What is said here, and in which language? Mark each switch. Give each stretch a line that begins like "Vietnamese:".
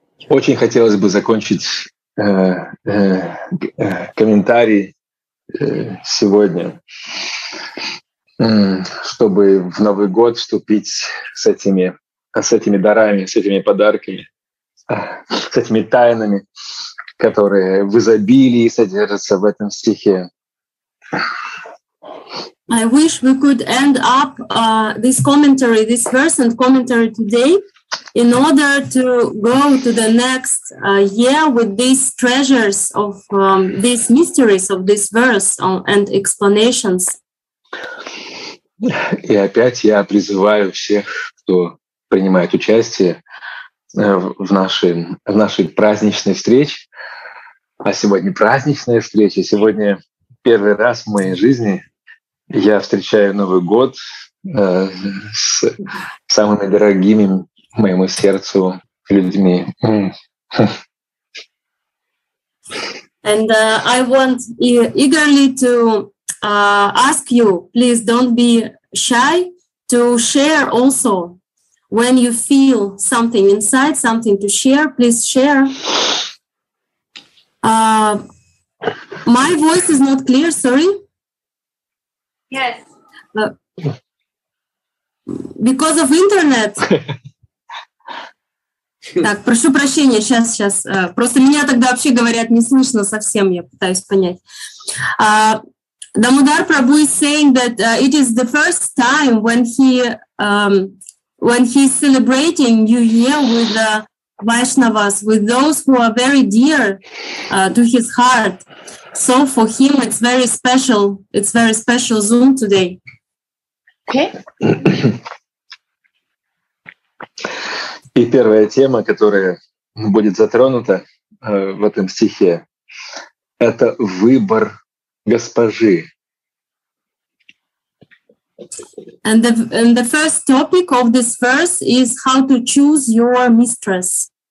Russian: Очень хотелось бы закончить комментарий сегодня, чтобы в Новый год вступить с этими дарами, с этими подарками, с этими тайнами, которые в изобилии содержатся в этом стихе.
English: I wish we could end up this commentary, this verse and commentary today, in order to go to the next year with these treasures of these mysteries of this verse and explanations.
Russian: И опять я призываю всех, кто принимает участие в нашей праздничной встрече. А сегодня праздничная встреча. Сегодня первый раз в моей жизни я встречаю Новый год с самыми дорогими моему сердцу людьми.
English: And I want eagerly to ask you, please don't be shy to share also when you feel something inside, something to share, please share. My voice is not clear, sorry. Yes. Because of internet.
Russian: Так, прошу прощения, сейчас. Просто меня тогда вообще говорят не слышно совсем, я пытаюсь понять.
English: Дамодар Прабху is saying that it is the first time when he's celebrating New Year with the Vaishnavas, with those who are very dear to his heart. So for him it's very special. It's very special Zoom today. Okay.
Russian: И первая тема, которая будет затронута в этом стихе, это выбор госпожи.
English: And the first topic of this verse is how to choose your mistress.